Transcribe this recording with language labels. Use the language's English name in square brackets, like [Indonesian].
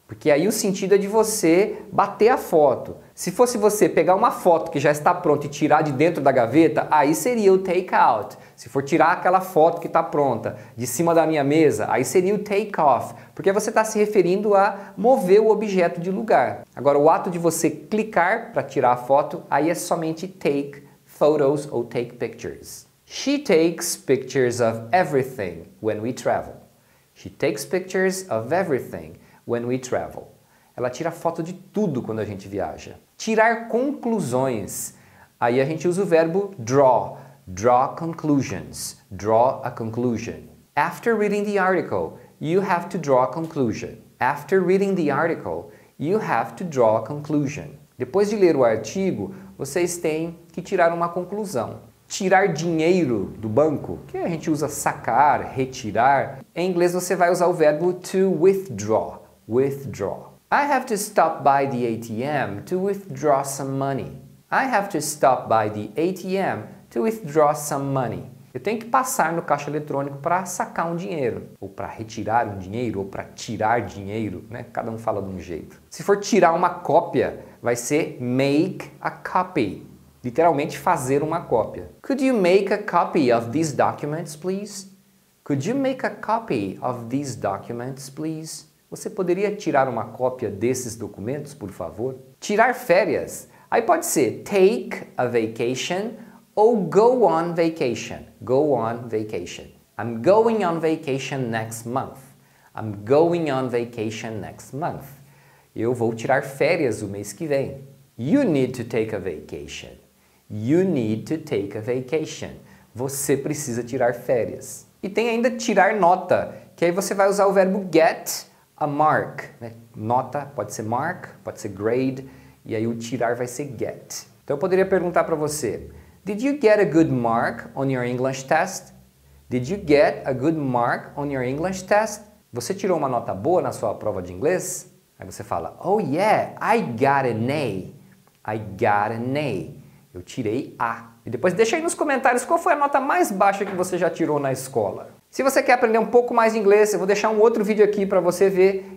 [Portuguese] Porque aí o sentido é de você bater a foto. Se fosse você pegar uma foto que já está pronta e tirar de dentro da gaveta, aí seria o take out. Se for tirar aquela foto que está pronta de cima da minha mesa, aí seria o take off. Porque você está se referindo a mover o objeto de lugar. Agora, o ato de você clicar para tirar a foto, aí é somente take photos ou take pictures. [English] She takes pictures of everything when we travel. She takes pictures of everything when we travel. [Portuguese] Ela tira foto de tudo quando a gente viaja. Tirar conclusões. Aí a gente usa o verbo draw. [English] Draw conclusions. Draw a conclusion. After reading the article, you have to draw a conclusion. After reading the article, you have to draw a conclusion. [Portuguese] Depois de ler o artigo, vocês têm que tirar uma conclusão. Tirar dinheiro do banco, que a gente usa sacar, retirar. Em inglês você vai usar o verbo to withdraw. [English] Withdraw. I have to stop by the ATM to withdraw some money. I have to stop by the ATM to withdraw some money. [Portuguese] Eu tenho que passar no caixa eletrônico para sacar um dinheiro. Ou para retirar um dinheiro, ou para tirar dinheiro, né? Cada um fala de um jeito. Se for tirar uma cópia, vai ser make a copy. Literalmente, fazer uma cópia. [English] Could you make a copy of these documents, please? Could you make a copy of these documents, please? [Portuguese] Você poderia tirar uma cópia desses documentos, por favor? Tirar férias. Aí pode ser take a vacation ou go on vacation. [English] Go on vacation. I'm going on vacation next month. I'm going on vacation next month. [Portuguese] Eu vou tirar férias o mês que vem. [English] You need to take a vacation. You need to take a vacation. [Portuguese] Você precisa tirar férias. E tem ainda tirar nota, que aí você vai usar o verbo get a mark. Né? Nota pode ser mark, pode ser grade, e aí o tirar vai ser get. Então eu poderia perguntar para você, [English] did you get a good mark on your English test? Did you get a good mark on your English test? [Portuguese] Você tirou uma nota boa na sua prova de inglês? Aí você fala, [English] oh yeah, I got an A. I got an A. [Portuguese] Eu tirei A. E depois deixa aí nos comentários qual foi a nota mais baixa que você já tirou na escola. Se você quer aprender um pouco mais de inglês, eu vou deixar um outro vídeo aqui para você ver.